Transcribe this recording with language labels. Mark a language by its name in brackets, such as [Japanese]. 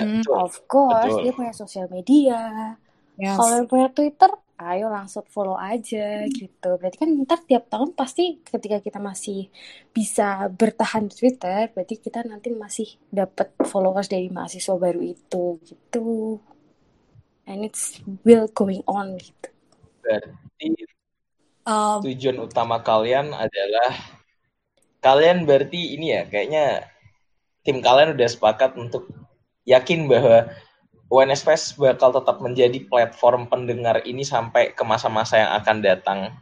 [English] Of course, [Indonesian] dia punya sosial media. Kalau yang punya Twitter, ayo langsung follow aja gitu. Berarti kan ntar tiap tahun pasti ketika kita masih bisa bertahan di Twitter, berarti kita nanti masih dapat followers dari mahasiswa baru itu gitu. [English] And it's will going on gitu. [Indonesian] Tujuan utama kalian adalah kalian berarti ini ya, kayaknya tim kalian udah sepakat untuk yakin bahwa WNS Fest bakal tetap menjadi platform pendengar ini sampai ke masa-masa yang akan datang.